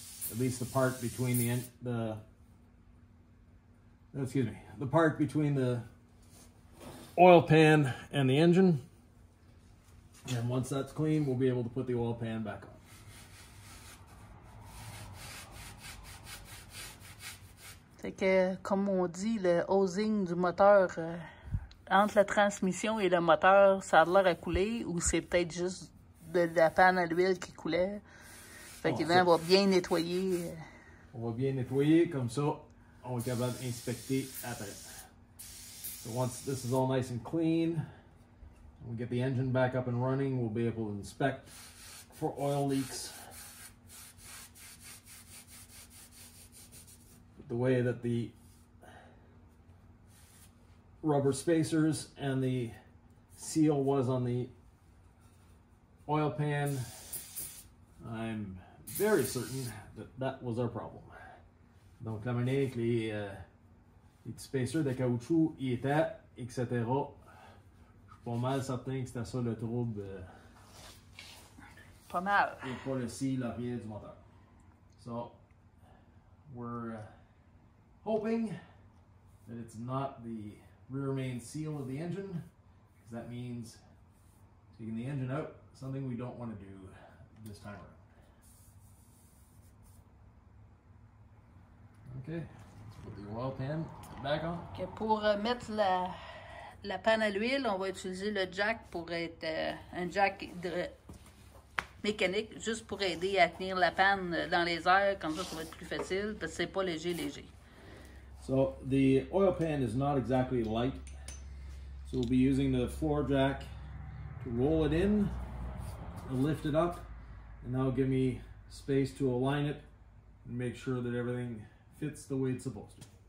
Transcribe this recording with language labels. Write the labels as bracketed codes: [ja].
[en] At least the part between the oil pan and the engine. And once that's clean, we'll be able to put the oil pan back on. [fr] Fait que, comme on dit, le hosing du moteur, entre la transmission et le moteur, ça a l'air à couler, ou c'est peut-être juste de la panne à l'huile qui coulait. Fait que on va bien nettoyer. On va bien nettoyer, comme ça, on va être capable d'inspecter après. [en] So once this is all nice and clean, we get the engine back up and running, we'll be able to inspect for oil leaks. The way that the rubber spacers and the seal was on the oil pan, I'm very certain that that was our problem. [fr] Donc la manière que les spacers de caoutchouc y étaient, etc. Je suis pas mal certain que c'était ça le trouble. Pas mal. Et pas le seal à rien du moteur. [en] So, we're hoping that it's not the rear main seal of the engine, because that means taking the engine out, something we don't want to do this time around. Okay, let's put the oil pan back on. [fr] Okay, pour mettre la panne à l'huile, on va utiliser le jack pour être un jack mécanique, juste pour aider à tenir la panne dans les airs, comme ça va être plus facile, parce que c'est pas léger. [en] So the oil pan is not exactly light, so we'll be using the floor jack to roll it in and lift it up, and that'll give me space to align it and make sure that everything fits the way it's supposed to.